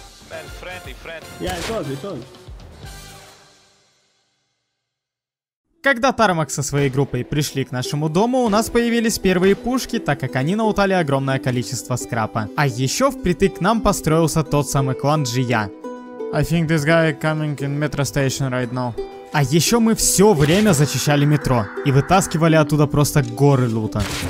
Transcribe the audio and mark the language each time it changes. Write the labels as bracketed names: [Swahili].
[English] Man, friendly friend. Yeah, it was. [Russian] Когда Тармак со своей группой пришли к нашему дому, у нас появились первые пушки, так как они наутали огромное количество скрапа. А еще впритык к нам построился тот самый клан Джия. [English] I think this guy coming in metro station right now. [Russian] А еще мы все время зачищали метро и вытаскивали оттуда просто горы лута.